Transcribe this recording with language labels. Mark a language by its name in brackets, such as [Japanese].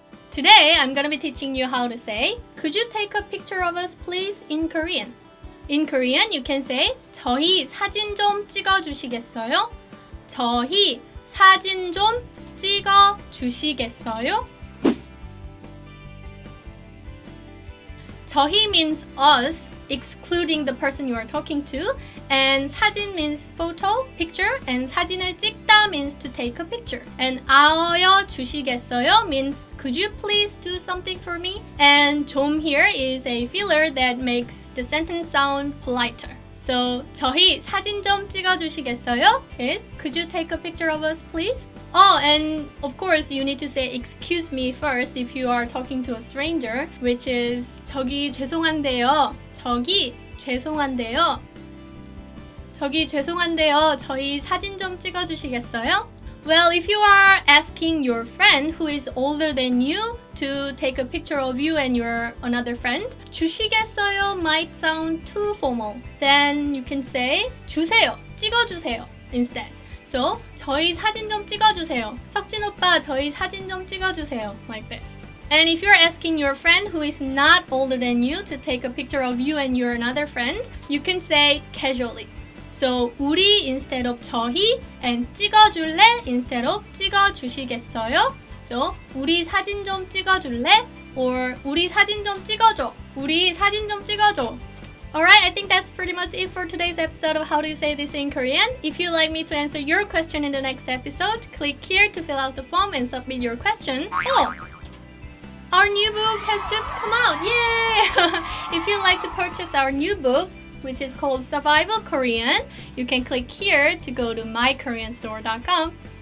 [English] Today, I'm going to be teaching you how to say, Could you take a picture of us, please, in Korean? In Korean, you can say, [Korean] 저희 사진 좀 찍어주시겠어요? 저희 사진 좀 찍어주시겠어요? [English] 저희 means us, excluding the person you are talking to. And 사진 means photo, picture. And 사진을 찍다 means to take a picture. And 아요 주시겠어요 means could you please do something for me? And 좀 here is a filler that makes the sentence sound politer. So [Korean] 저희 사진 좀 찍어주시겠어요 [English] is could you take a picture of us please? Oh, and of course you need to say excuse me first if you are talking to a stranger, which is [Korean] 저기 죄송한데요. 저기 죄송한데요. 저기 죄송한데요. 저희 사진 좀 찍어주시겠어요? [English] Well, if you are asking your friend who is older than you to take a picture of you and your another friend, 주시겠어요 might sound too formal. Then you can say [Korean] 주세요, 찍어주세요 [English] instead. [Korean] So 저희 사진 좀 찍어주세요. 석진 오빠, 저희 사진 좀 찍어주세요. [English] Like this. And if you're asking your friend who is not older than you to take a picture of you and your another friend, you can say casually. So 우리 instead of 저희 and 찍어줄래 instead of 찍어주시겠어요? [Korean] So 우리 사진 좀 찍어줄래? Or 우리 사진 좀 찍어줘. 우리 사진 좀 찍어줘. [English] Alright, I think that's pretty much it for today's episode of How Do You Say This in Korean. If you'd like me to answer your question in the next episode, click here to fill out the form and submit your question. Oh! Our new book has just come out! Yay! If you'd like to purchase our new book, which is called Survival Korean, you can click here to go to mykoreanstore.com.